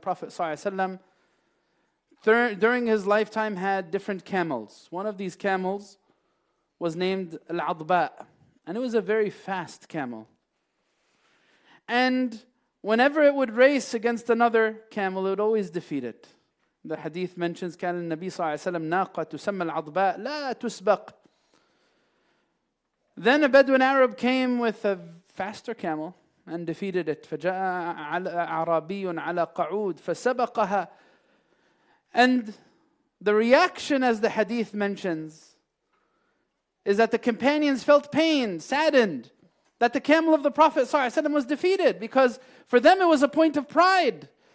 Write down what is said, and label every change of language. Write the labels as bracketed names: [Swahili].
[English] Prophet sallallahu alayhi wa sallam, during his lifetime, had different camels. One of these camels was named Al-Adba, and it was a very fast camel. And whenever it would race against another camel, it would always defeat it. The hadith mentions, [Arabic] كان النبي صلى الله عليه وسلم ناقة تسمى العضباء لا تسبق. [English] Then a Bedouin Arab came with a faster camel and defeated it. [Arabic] فجاء عربي على قعود فسبقها. [English] And the reaction, as the hadith mentions, is that the companions felt pain, saddened, that the camel of the Prophet [Arabic] صلى الله عليه وسلم [English] was defeated, because for them it was a point of pride.